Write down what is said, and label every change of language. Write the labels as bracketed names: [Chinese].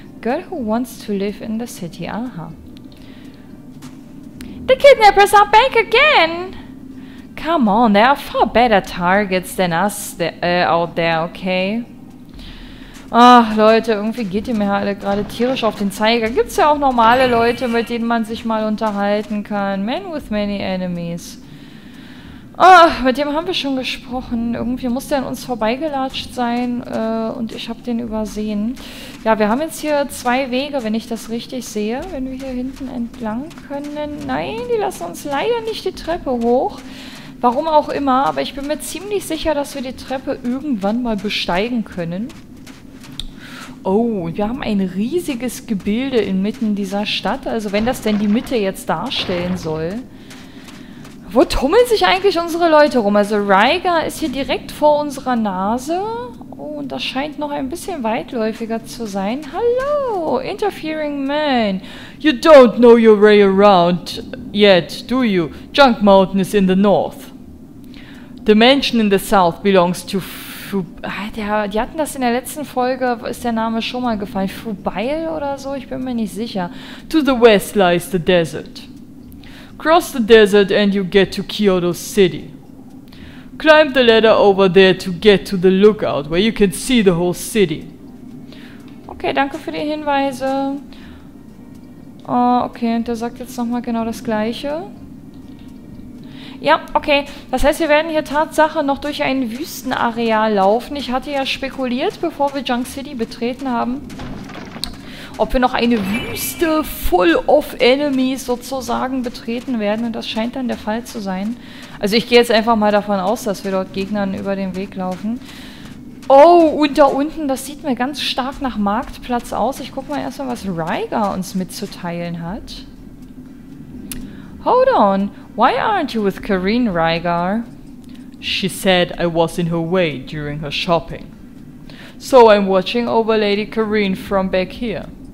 [English] Girl who wants to live in the city, aha. The kidnappers are back again! Come on, there are far better targets than us out there, okay? [German] Ach, Leute, irgendwie geht ihr mir alle gerade tierisch auf den Zeiger. Gibt's ja auch normale Leute, mit denen man sich mal unterhalten kann. [English] Man with many enemies. [German] Ach, mit dem haben wir schon gesprochen. Irgendwie muss der an uns vorbeigelatscht sein und ich habe den übersehen. Ja, wir haben jetzt hier zwei Wege, wenn ich das richtig sehe. Wenn wir hier hinten entlang können. Nein, die lassen uns leider nicht die Treppe hoch. Warum auch immer, aber ich bin mir ziemlich sicher, dass wir die Treppe irgendwann mal besteigen können. Oh, wir haben ein riesiges Gebilde inmitten dieser Stadt. Also wenn das denn die Mitte jetzt darstellen soll. Wo tummeln sich eigentlich unsere Leute rum? Also Raiga ist hier direkt vor unserer Nase. Oh, und das scheint noch ein bisschen weitläufiger zu sein. [English] Hallo, interfering man. You don't know your way around yet, do you? Junk Mountain is in the north. The mansion in the south belongs to [German] Die hatten das in der letzten Folge, ist der Name schon mal gefallen. Fubile oder so, ich bin mir nicht sicher. [English] To the west lies the desert. Cross the desert and you get to Kyoto City. Climb the ladder over there to get to the lookout, where you can see the whole city. [German] Okay, danke für die Hinweise. Oh, okay, und der sagt jetzt nochmal genau das Gleiche. Ja, okay. Das heißt, wir werden hier Tatsache noch durch ein Wüstenareal laufen. Ich hatte ja spekuliert, bevor wir Junk City betreten haben, ob wir noch eine Wüste [English] full of enemies [German] sozusagen betreten werden. Und das scheint dann der Fall zu sein. Also ich gehe jetzt einfach mal davon aus, dass wir dort Gegnern über den Weg laufen. Oh, und da unten, das sieht mir ganz stark nach Marktplatz aus. Ich guck mal erstmal, was Raiga uns mitzuteilen hat. [English] Hold on, why aren't you with Karin, Raiga? She said I was in her way during her shopping. So I'm watching over Lady Karin from back here.